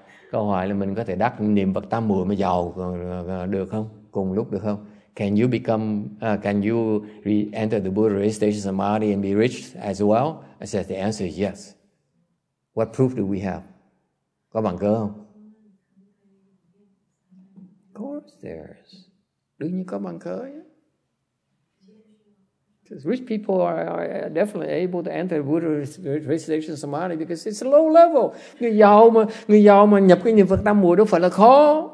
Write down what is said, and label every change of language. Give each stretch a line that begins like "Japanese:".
Vietnamese: Câu hỏi là mình có thể đắc niệm Phật tam muội mà giàu được không? Cùng lúc được không?
English: Can you become? Can you re-enter the Buddha recitation samadhi and be rich as well? I said the answer is yes. What proof do we have?
Vietnamese: Có bằng cơ không?
English: Of course there is.
Vietnamese: Đương nhiên có bằng cơ.
English: Because rich people are definitely able to enter Buddha recitation samadhi because it's a low level.
Vietnamese: Người giàu mà nhập cái niệm Phật tam muội đâu phải là khó.